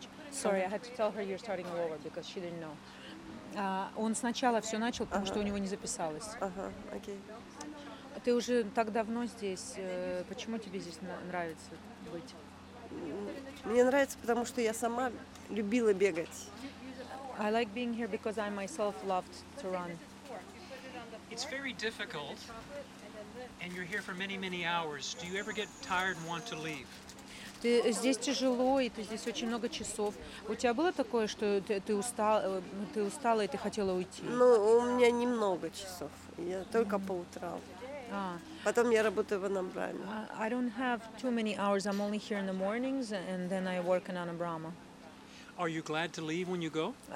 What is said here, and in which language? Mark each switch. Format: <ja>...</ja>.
<en>Sorry, I had to tell her you're starting all over because she didn't know.</en> <ru>Он сначала все начал, потому что у него не записалось. Ага, окей. Ты уже так давно здесь. Почему тебе здесь нравится быть? Мне нравится, потому что я сама любила бегать.</ru> <en>I like being here because I myself loved to run. It's very difficult, and you're here for many, many hours. Do you ever get tired and want to leave?</en> <ru>Ты здесь тяжело, и ты здесь очень много часов. У тебя было такое, что ты устала, и ты хотела уйти? Ну, у меня немного часов. Я только по утрам. Потом я работаю в Анабраме.</ru> <en>I don't have too many hours. I'm only here in the mornings, and then I work in Анабрама. Are you glad to leave when you go?</en>